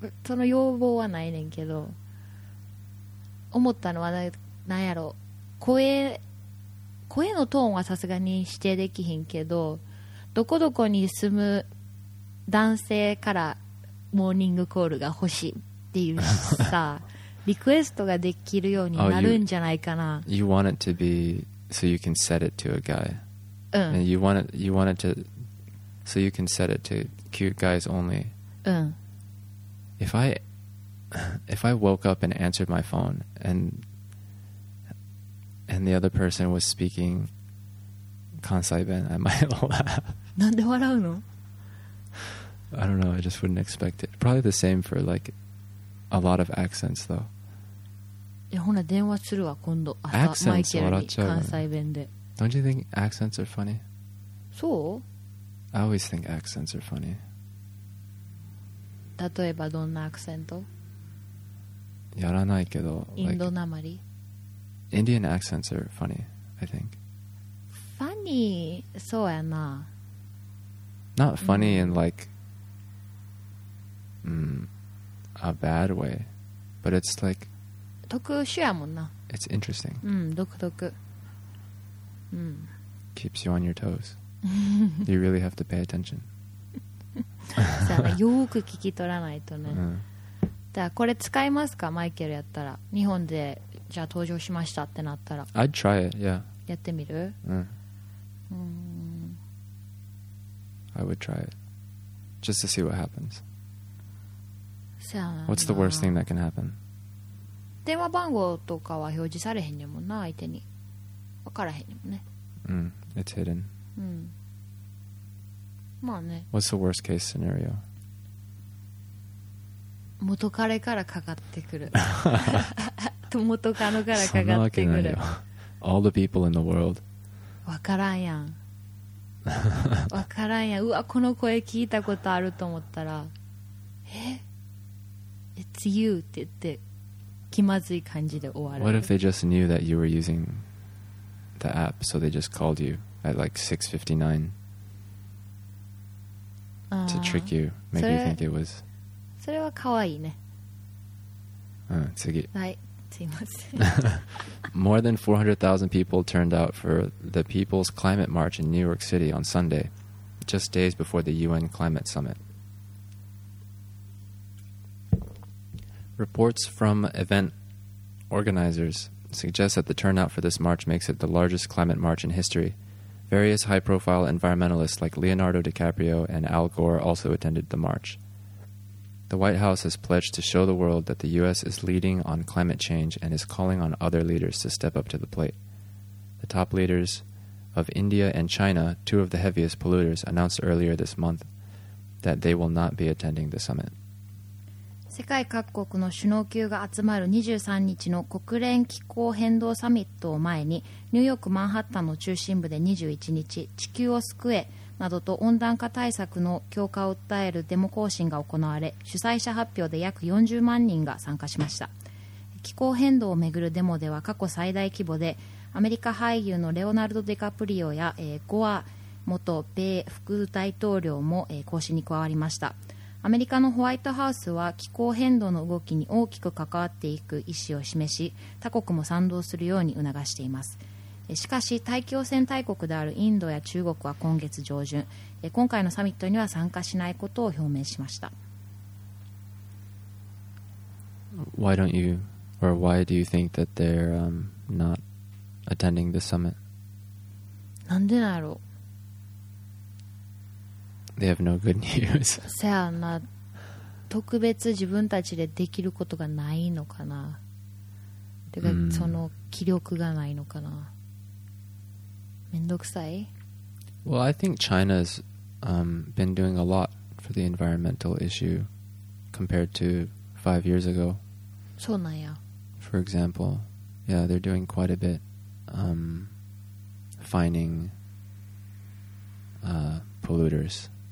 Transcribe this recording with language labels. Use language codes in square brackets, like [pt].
[ja] その要望はないねんけど、思ったのは何やろ、声のトーンはさすがに指定できひんけど、どこどこに住む男性からモーニングコールが欲しいっていうさリクエストができるようになるんじゃないかな。 [en] you want it to be so you can set it to a guy、you want it to so you can set it to cute guys onlyIf I woke up and answered my phone and the other person was speaking Kansai Ben, I might laugh. [ja] なんで笑うの? [en] I don't know, I just wouldn't expect it. Probably the same for like a lot of accents though. [ja] いやほな電話するわ今度。 [en] Accents [ja] 笑っちゃうね。関西弁で。 [en] Don't you think accents are funny? [ja] そう? [en] I always think accents are funny. [ja] 例えばどんなアクセント? やらないけど、インドなまり、 [en] like, Indian accents are funny, I think. Funny? [ja] そうやな。 [en] Not funny in like、a bad way, but it's like [ja] 特殊やもんな。 [en] It's interesting. [ja] うん、独特。うん。 [en] Keeps you on your toes. You really have to pay attention. [ja] そうやな、よく聞き取らないとね。うん。じゃあこれ使いますか、マイケルやったら、日本でじゃあ登場しましたってなったら。 [en] I'd try it, yeah. [ja] やってみる。うん。うん。 [en] I would try it, just to see what happens. [ja] さあ、 [en] What's the worst thing that can happen? [ja] 電話番号とかは表示されへんねんもんな、相手に。分からへんねんもんね。 [en] うん、It's hidden. [ja] うん。まあね。 [en] What's the worst case scenario? [ja] 元カレからかかってくる元カノからかかってくる。そんなわけないよ。 [en] All the people in the world。 [ja] わからんやん。わからんやん。うわ、この声聞いたことあると思ったら、 え？ [en] It's you [ja] って言って気まずい感じで終わる。 [en] What if they just knew that you were using the app, so they just called you at like 6:59 to trick you, make you think it was... [ja] それは可愛いね。うん、次。はい、すいません。 [en] More than 400,000 people turned out for the People's Climate March in New York City on Sunday, just days before the UN Climate Summit. Reports from event organizers suggest that the turnout for this march makes it the largest climate march in history. Various high-profile environmentalists like Leonardo DiCaprio and Al Gore also attended the march. The White House has pledged to show the world that the U.S. is leading on climate change and is calling on other leaders to step up to the plate. The top leaders of India and China, two of the heaviest polluters, announced earlier this month that they will not be attending the summit. [ja] 世界各国の首脳級が集まる23日の国連気候変動サミットを前に、ニューヨークマンハッタンの中心部で21日、地球を救えなどと温暖化対策の強化を訴えるデモ行進が行われ、主催者発表で約40万人が参加しました。気候変動をめぐるデモでは過去最大規模で、アメリカ俳優のレオナルド・ディカプリオや、ゴア元米副大統領も、行進に加わりました。アメリカのホワイトハウスは気候変動の動きに大きく関わっていく意思を示し、他国も賛同するように促しています。しかし、大気汚染大国であるインドや中国は今月上旬、今回のサミットには参加しないことを表明しました。 [en] Why don't you, or why do you think that they're, not attending the summit? [ja] なんでなんやろ? [en] They have no good news. [ja] せやな、特別自分たちでできることがないのかな。てか、その気力がないのかな。めんどくさい? [en] Well, I think China's been doing a lot for the environmental issue compared to 5 years ago. [ja] そうなんや。 [en] For example, yeah, they're doing quite a bit fining polluters.